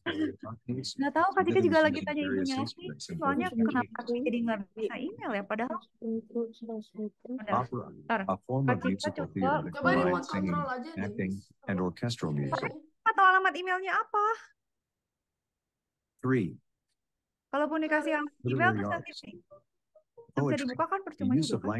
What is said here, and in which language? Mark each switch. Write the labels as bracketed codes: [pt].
[id] Nggak tahu, Kak Tika juga lagi tanya ibunya sih. Soalnya kenapa aku jadi nggak bisa email ya, padahal. [en] Opera, a form of musical theater that combines singing, acting, and orchestral music. [id] Atau alamat emailnya apa? [en] Three. [id] Kalaupun dikasih yang email, terus nanti terus dari buka kan percuma juga.